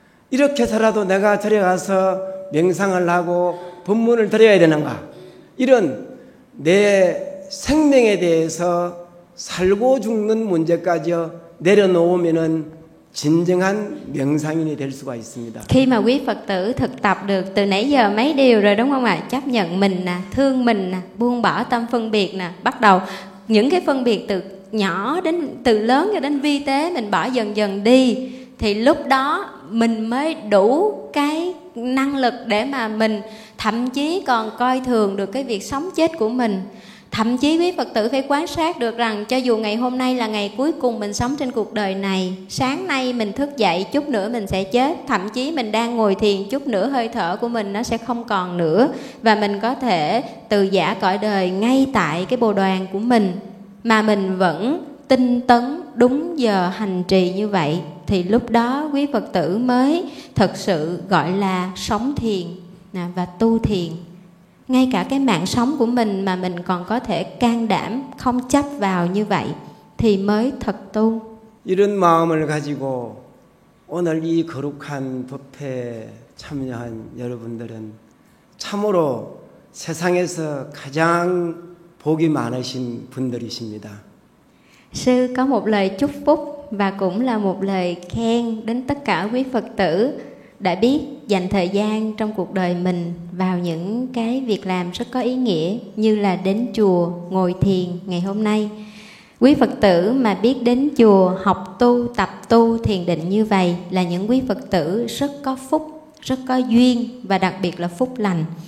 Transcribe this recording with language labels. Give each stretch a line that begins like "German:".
Korean: 이렇게 살아도 내가 절에 가서 명상을 하고 법문을 드려야 되는가? 이런 내 생명에 대해서 살고 죽는 문제까지 내려놓으면은 진정한 명상인이 될 수가 있습니다.
Vietnamese: Khi mà quý Phật tử thực tập được từ nãy giờ mấy điều rồi đúng không ạ? Chấp nhận mình nè, thương mình nè, buông bỏ tâm phân biệt nè, bắt đầu những cái phân biệt từ nhỏ đến từ lớn cho đến vi tế mình bỏ dần dần đi, thì lúc đó mình mới đủ cái năng lực để mà mình thậm chí còn coi thường được cái việc sống chết của mình. Thậm chí quý Phật tử phải quan sát được rằng cho dù ngày hôm nay là ngày cuối cùng mình sống trên cuộc đời này, sáng nay mình thức dậy, chút nữa mình sẽ chết, thậm chí mình đang ngồi thiền, chút nữa hơi thở của mình nó sẽ không còn nữa và mình có thể từ giã cõi đời ngay tại cái bồ đoàn của mình, mà mình vẫn tinh tấn đúng giờ hành trì như vậy, thì lúc đó quý Phật tử mới thật sự gọi là sống thiền và tu thiền. Ngay cả cái mạng sống của mình mà mình còn có thể can đảm không chấp vào như vậy thì mới thật tu.
Korean: 이런 마음을 가지고 오늘 이 거룩한 법회 참여한 여러분들은 참으로 세상에서 가장 복이 많으신 분들이십니다.
Vietnamese: Sư có một lời chúc phúc và cũng là một lời khen đến tất cả quý Phật tử đã biết dành thời gian trong cuộc đời mình vào những cái việc làm rất có ý nghĩa như là đến chùa ngồi thiền ngày hôm nay. Quý Phật tử mà biết đến chùa học tu, tập tu thiền định như vậy là những quý Phật tử rất có phúc, rất có duyên và đặc biệt là phúc lành.